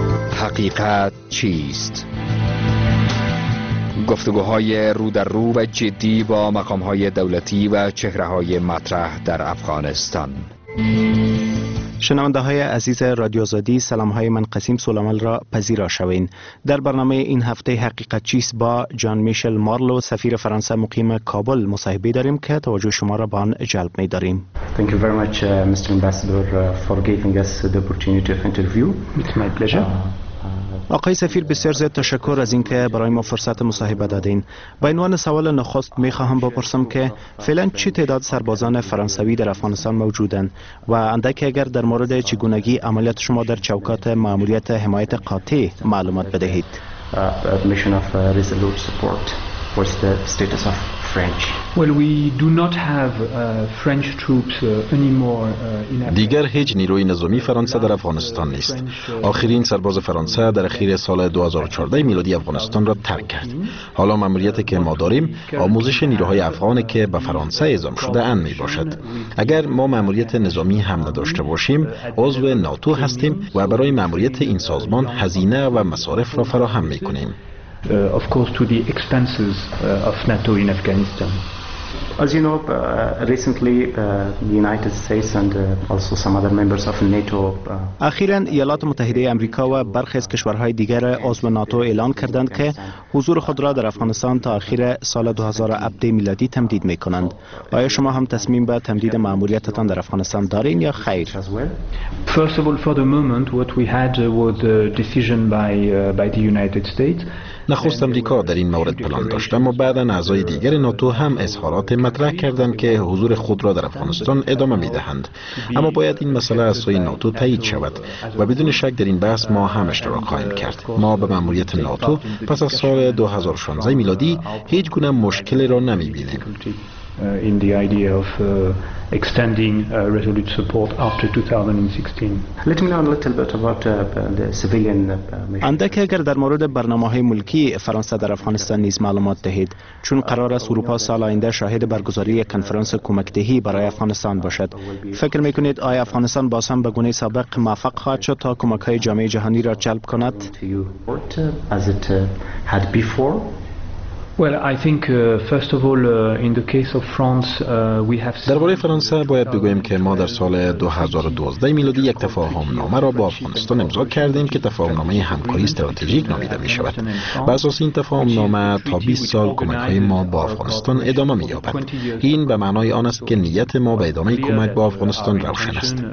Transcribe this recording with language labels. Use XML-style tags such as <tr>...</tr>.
<fa>حقیقت چیست؟ گفتگوهای رو در رو و جدی با مقامهای دولتی و چهرههای مطرح در افغانستان. شنونده های عزیز رادیو آزادی، سلام های من قسیم سلامل را پذیرا شوین. در برنامه این هفته حقیقت چیست با جان میشل مارلو، سفیر فرانسه مقیم کابل مصاحبه داریم که توجه شما را به آن جلب می داریم.</fa> <en>Thank you very much Mr. Ambassador for giving us the opportunity of interview. It's my pleasure.</en> <fa>آقای سفیر، بسیار زیاد تشکر از اینکه برای ما فرصت مصاحبه دادین. به عنوان سوال نخست میخواهم بپرسم که فعلا چه تعداد سربازان فرانسوی در افغانستان موجودند و اندک اگر در مورد چگونگی عملیات شما در چوکات ماموریت حمایت قاطع معلومات بدهید.</fa> <en>Mission of Resolute Support. What's the status of French? Well, we do not have French troops anymore in Afghanistan.</en> <fa>دیگر هیچ نیروی نظامی فرانسه در افغانستان نیست. آخرین سرباز فرانسه در اخیر سال 2014 میلادی افغانستان را ترک کرد. حالا ماموریتی که ما داریم آموزش نیروهای افغان که به فرانسه اعزام شده اند می باشد. اگر ما ماموریت نظامی هم نداشته باشیم، عضو ناتو هستیم و برای ماموریت این سازمان هزینه و مصارف را فراهم می کنیم.</fa> <en>Of course, to the expenses of NATO in Afghanistan. As you know, recently the United States and also some other members of NATO.</en> <fa>اخیراً ایالات متحده آمریکا و برخی از کشورهای دیگر عضو ناتو اعلان کردند که حضور خود را در افغانستان تا آخر سال 2007 میلادی تمدید می‌کنند. آیا شما هم تصمیم به تمدید ماموریتتان در افغانستان دارین یا خیر؟</fa> <en>First of all, for the moment, what we had was a decision by the United States.</en> <fa>نخست آمریکا در این مورد پلان داشت، اما بعدا اعضای دیگر ناتو هم اظهارات مطرح کردند که حضور خود را در افغانستان ادامه می دهند. اما باید این مسئله از سوی ناتو تایید شود و بدون شک در این بحث ما هم اشتراک خواهیم کرد. ما به ماموریت ناتو پس از سال 2016 میلادی هیچ گونه مشکلی را نمی بینیم.</fa> <en>In the idea of extending resolute support after 2016. Let me know a little bit about the civilian mission.</en> <fa>اندک اگر در مورد برنامه‌های ملکی فرانسه در افغانستان نیز معلومات دهید، چون قرار است اروپا سال آینده شاهد برگزاری یک کنفرانس کمک‌دهی برای افغانستان باشد. فکر می‌کنید آیا افغانستان باز هم به گونه سابق موفق خواهد شد تا کمک‌های جامعه جهانی را جلب کند؟</fa> <en>As it had before. Well, I think first of all in the case of France we have</en> <fa>در باره فرانسه باید بگویم که ما در سال 2012 میلادی یک تفاهم‌نامه را با افغانستان امضا کردیم که تفاهم‌نامه همکاری استراتژیک نامیده می‌شود. بر اساس این تفاهم‌نامه تا 20 سال کمک‌های ما با افغانستان ادامه می‌یابد. این به معنای آن است که نیت ما به ادامه کمک با افغانستان روشن است.</fa>